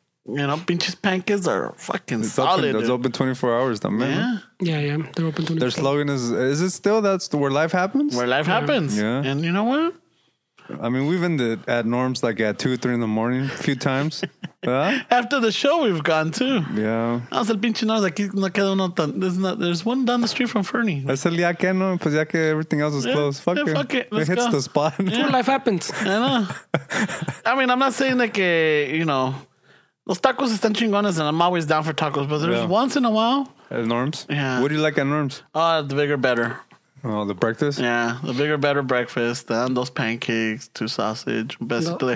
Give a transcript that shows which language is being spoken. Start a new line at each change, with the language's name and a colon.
English: You know,
Spanish: pinches
English: pancakes are fucking, it's solid. Open, it's open 24 hours, though, man. Yeah, yeah. They're open 24 hours. Their slogan is it still that's where life happens? Where life, yeah, happens. Yeah. And you know what? I mean, we've been at Norm's like at 2 or 3 in the morning a few times. After the show, we've gone too. Yeah.
Spanish: El pinche Norm's aquí no queda uno tan.
English: There's one down the street from Fernie.
Spanish: Es el día que no, pues ya que
English: everything else is closed. Fuck it. Fuck it. It hits the spot. Yeah. Where life happens. I know. I mean, I'm not saying that, you know.
Spanish: Los tacos están chingones,
English: and I'm always down for tacos, but there's, yeah, once in a while. At Norm's? Yeah. What do you like at Norm's? The bigger, better. Oh, the breakfast? Yeah, the bigger, better breakfast, and those pancakes, two sausage,
Spanish: un besito de